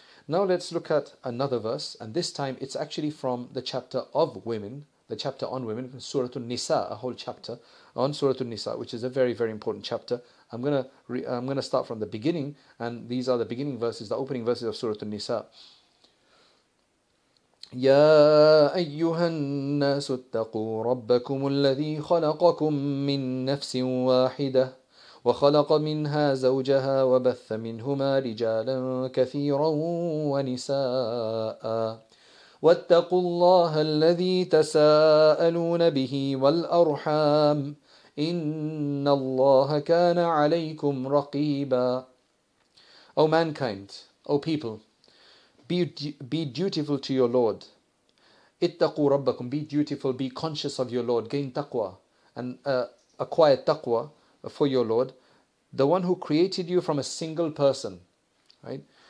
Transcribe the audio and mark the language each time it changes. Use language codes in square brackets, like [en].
[en] Now let's look at another verse. And this time it's actually from the chapter of women, the chapter on women, Surah An-Nisa, a whole chapter on Surah An-Nisa, which is a very, very important chapter. I'm gonna start from the beginning. And these are the beginning verses, the opening verses of Surah An-Nisa. [ar] يا أيها الناس اتقوا ربكم الذي خلقكم من نفس واحدة وخلق منها زوجها وبث منهما رجالا كثيرا ونساء واتقوا الله الذي تساءلون به والأرحام إن الله كان عليكم رقيبا. [en] O mankind, O people, be dutiful to your Lord. [ar] Ittaqu rabbakum, [en] be dutiful, be conscious of your Lord. Gain taqwa and acquire taqwa for your Lord. The one who created you from a single person, right?